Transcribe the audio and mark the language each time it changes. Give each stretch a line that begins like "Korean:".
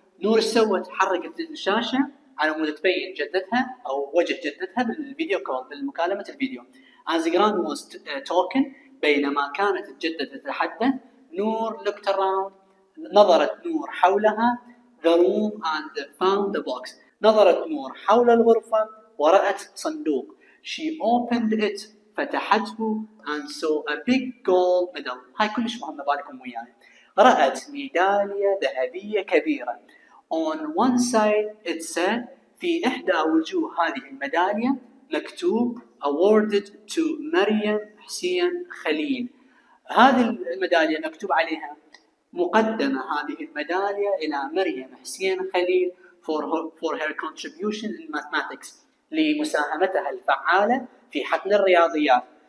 Arabic: نور سوت حركت الشاشة على مود تبين جدتها أو وجه جدتها بالفيديو كول بالمكالمة الفيديو.
English: As Grand was talking
Arabic: بينما كانت الجدة تتحدث
English: نور looked around
Arabic: نظرت نور حولها
English: the room and found the box.
Arabic: نظرت نور حول الغرفة ورأت صندوق.
English: She opened it فتحته and saw a big gold medal.
Arabic: هاي كلش مهمة بالكم وياي. رأت ميدالية ذهبية كبيرة.
English: On one side it said
Arabic: في إحدى وجوه هذه الميدالية مكتوب
English: awarded to
Arabic: مريم حسين خليل. هذه الميدالية مكتوب عليها مقدمة هذه الميدالية إلى مريم حسين خليل
English: for her contribution in mathematics
Arabic: لمساهمتها الفعالة في حقل الرياضيات.